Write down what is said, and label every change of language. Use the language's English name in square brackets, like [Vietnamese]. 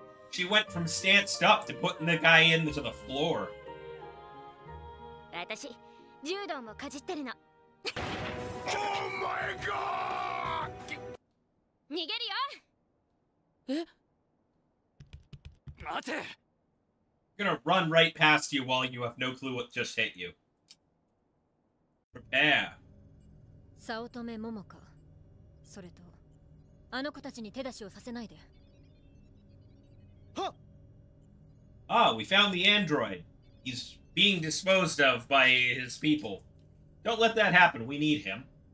[English] She went from stanced up to putting the guy into the floor. [Japanese] 私、柔道もかじってるの。 [English] Oh my god! [Japanese] 逃げるよ。え？待て！ [English] I'm gonna run right past you while you have no clue what just hit you. Prepare. [Japanese] 早乙女桃子、それとあの子たちに手出しをさせないで。 [English] は！Ah, we found the android. He's being disposed of by his people. Don't let that happen. We need him.